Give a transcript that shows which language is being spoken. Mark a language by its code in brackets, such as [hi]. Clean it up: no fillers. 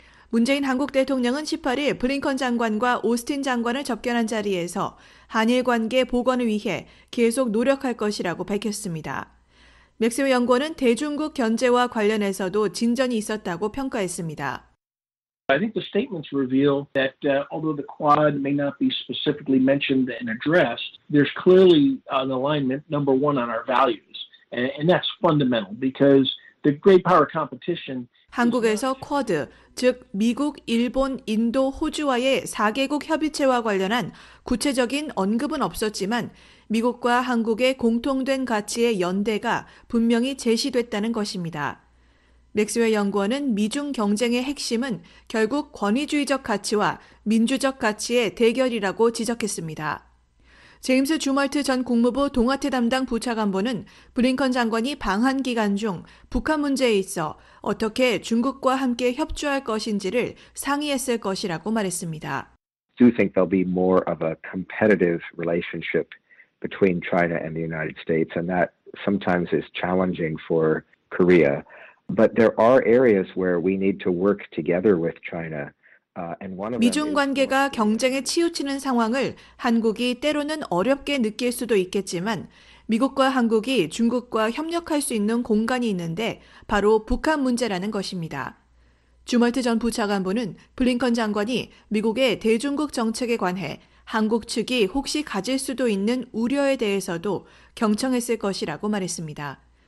[ko] 문재인 한국 대통령은 18일 블링컨 장관과 오스틴 장관을 접견한 자리에서 한일 관계 복원을 위해 계속 노력할 것이라고 밝혔습니다. 맥스웰 연구원은 대중국 견제와 관련해서도 진전이 있었다고 평가했습니다. [en] I think the statements reveal that although the Quad may not be specifically mentioned and addressed, there's clearly an alignment, number one, on our values. And that's fundamental because the great power competition [ko] 한국에서 쿼드, 즉 미국, 일본, 인도, 호주와의 4개국 협의체와 관련한 구체적인 언급은 없었지만 미국과 한국의 공통된 가치의 연대가 분명히 제시됐다는 것입니다. 맥스웰 연구원은 미중 경쟁의 핵심은 결국 권위주의적 가치와 민주적 가치의 대결이라고 지적했습니다. 제임스 주멀트 전 국무부 동아태 담당 부차관보는 블링컨 장관이 방한 기간 중 북한 문제에 있어 어떻게 중국과 함께 협조할 것인지를 상의했을 것이라고 말했습니다. [en] I do think there'll be more of a competitive relationship between China and the United States, and that sometimes is challenging for Korea. But there are areas where we need to work together with China. [ko] 미중 관계가 경쟁에 치우치는 상황을 한국이 때로는 어렵게 느낄 수도 있겠지만 미국과 한국이 중국과 협력할 수 있는 공간이 있는데 바로 북한 문제라는 것입니다. 주멀트 전 부차관보는 블링컨 장관이 미국의 대중국 정책에 관해 한국 측이 혹시 가질 수도 있는 우려에 대해서도 경청했을 것이라고 말했습니다.